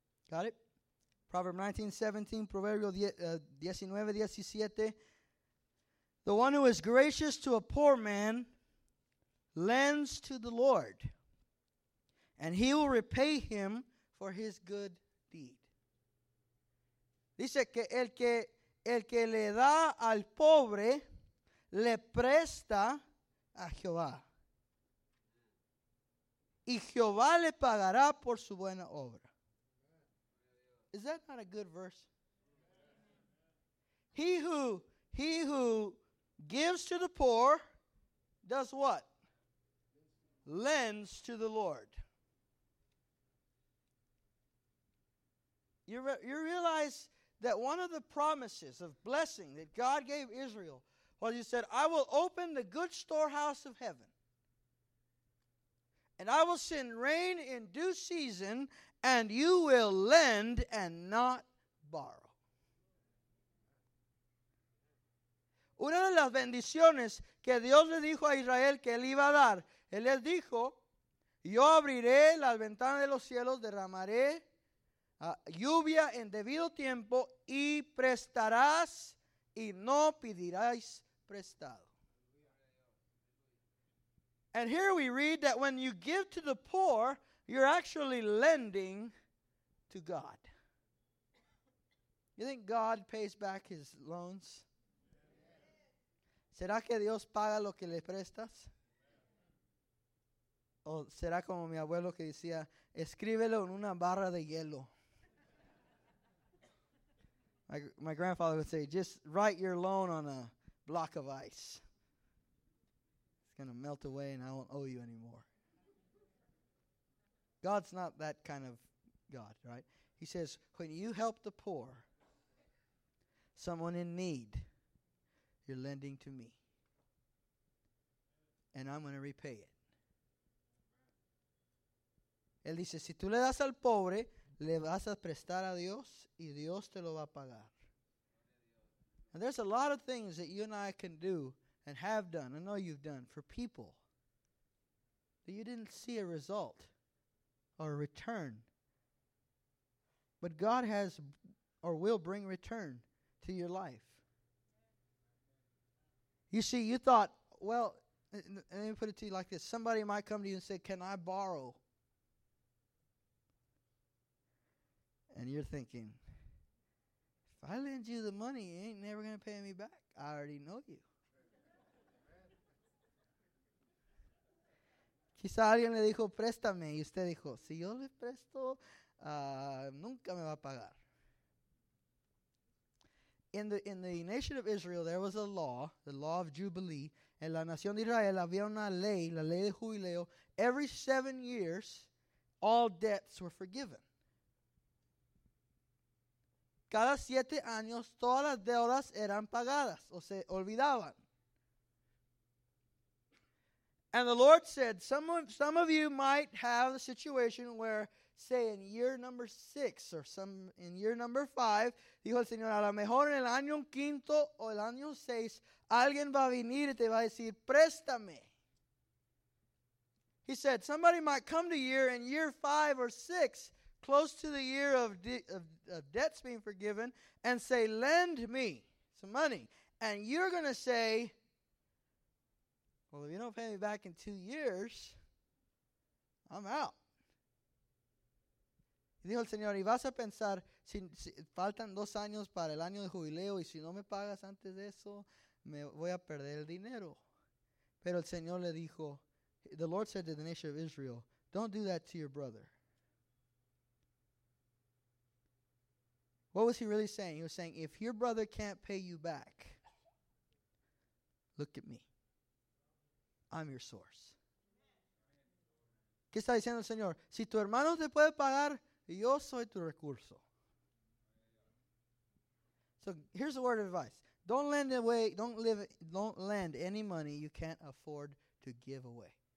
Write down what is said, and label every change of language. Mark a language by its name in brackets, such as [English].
[English] Got it? Proverb 19:17. Proverbio 19:17. The one who is gracious to a poor man lends to the Lord, and he will repay him for his good deed. [Spanish] Dice que el que le da al pobre le presta a Jehová, y Jehová le pagará por su buena obra. [English] Is that not a good verse? He who gives to the poor, does what? Lends to the Lord. You realize that one of the promises of blessing that God gave Israel was, he said, I will open the good storehouse of heaven, and I will send rain in due season, and you will lend and not borrow. [Spanish] Una de las bendiciones que Dios le dijo a Israel que él iba a dar, él les dijo, yo abriré las ventanas de los cielos, derramaré lluvia en debido tiempo y prestarás y no pedirás prestado. [English] And here we read that when you give to the poor, you're actually lending to God. You think God pays back his loans? [Spanish] ¿Será que Dios paga lo que le prestas? ¿O será como mi abuelo que decía, escríbelo en una barra de hielo? [English] My grandfather would say, just write your loan on a block of ice. It's going to melt away and I won't owe you anymore. God's not that kind of God, right? He says, when you help the poor, someone in need, you're lending to me, and I'm going to repay it. [Spanish] Él dice, si tú le das al pobre, le vas a prestar a Dios, y Dios te lo va a pagar. [English] And there's a lot of things that you and I can do and have done, I know you've done, for people that you didn't see a result or a return. But God has or will bring return to your life. You see, you thought, well, let me put it to you like this. Somebody might come to you and say, can I borrow And you're thinking, if I lend you the money, you ain't never going to pay me back. I already know you. [Spanish] Quizá alguien le dijo, préstame. Y usted dijo, si yo le presto, nunca me va a pagar. [English] In the nation of Israel, there was a law, the law of Jubilee. [Spanish] En la nación de Israel había una ley, la ley de jubileo. [English] Every 7 years, all debts were forgiven. [Spanish] Cada 7 años, todas las deudas eran pagadas, o se olvidaban. [English] And the Lord said, some of you might have a situation where, say, in year number 6 or some in year number 5, [Spanish] dijo el Señor, a lo mejor en el año quinto o el año 6, alguien va a venir y te va a decir, préstame. [English] He said, somebody might come to year in year 5 or 6, close to the year of debts being forgiven, and say, lend me some money. And you're going to say, well, if you don't pay me back in 2 years, I'm out. [Spanish] Y dijo el Señor, y vas a pensar, si faltan 2 años para el año de jubileo, y si no me pagas antes de eso, me voy a perder el dinero. Pero el Señor le dijo, [English] the Lord said to the nation of Israel, don't do that to your brother. What was he really saying? He was saying, if your brother can't pay you back, look at me. I'm your source. [Spanish] ¿Qué está diciendo el Señor? Si tu hermano te puede pagar, yo soy tu recurso. [English] So here's a word of advice. Don't lend any money you can't afford to give away.